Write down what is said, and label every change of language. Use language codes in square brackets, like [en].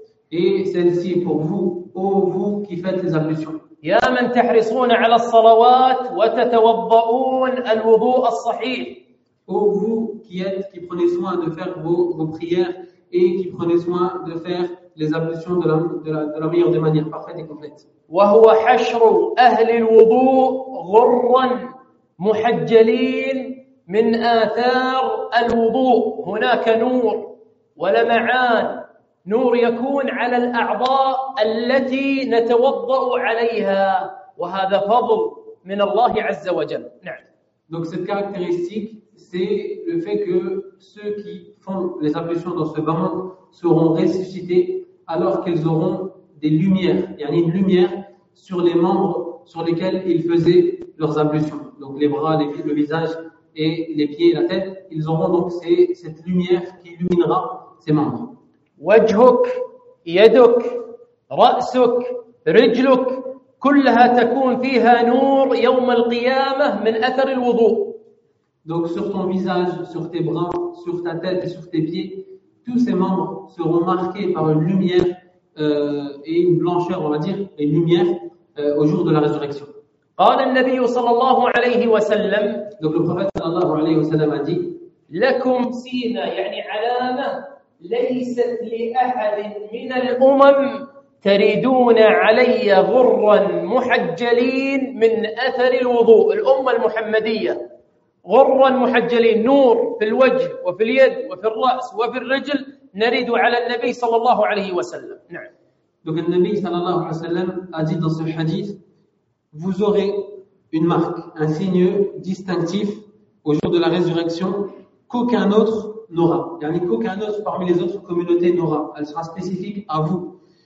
[fr] Et celle-ci est pour vous, ô vous qui faites les ablutions. [ar] يا من تحرصون على الصلوات وتتوضؤون الوضوء الصحيح. [fr] Ô vous qui prenez soin de faire vos prières et qui prenez soin de faire les ablutions de la meilleure des manières parfaites et complètes. [ar] وهو حشر أهل الوضوء غرا محجلين من آثار الوضوء هناك نور ولمعان نور يكون على الأعضاء التي نتوضأ عليها وهذا فضل من الله عز وجل. نعم. [fr] Donc cette caractéristique, c'est le fait que ceux qui font les ablutions dans ce bain seront ressuscités alors qu'ils auront des lumières, [ar] yani [fr] une lumière sur les membres sur lesquels ils faisaient leurs ablutions. Donc les bras, les pieds, le visage et les pieds et la tête, ils auront donc cette lumière qui illuminera ces membres. [ar] وجهك يدك رأسك رجلك كلها تكون فيها نور يوم القيامة من أثر الوضوء. [fr] Donc sur ton visage, sur tes bras, sur ta tête et sur tes pieds, tous ces membres seront marqués par une lumière et une blancheur, on va dire, et une lumière au jour de la résurrection. [ar] قال النبي صلى الله عليه وسلم. [fr] Donc le prophète [ar] صلى الله عليه وسلم [fr] a dit. [ar] لكم سينا يعني علامة ليست لأحد من الأمم تريدون علي غرا محجلين من أثر الوضوء الأمة المحمدية غرا محجلين نور في الوجه وفي اليد وفي الرأس وفي الرجل نريد على النبي صلى الله عليه وسلم نعم. [fr] Donc le Nabi [ar] صلى الله عليه وسلم [fr] a dit dans ce hadith vous aurez une marque, un signe distinctif au jour de la résurrection qu'aucun autre n'aura. [ar] Yani, [fr] qu'aucun autre parmi les autres communautés n'aura. Elle sera spécifique à vous.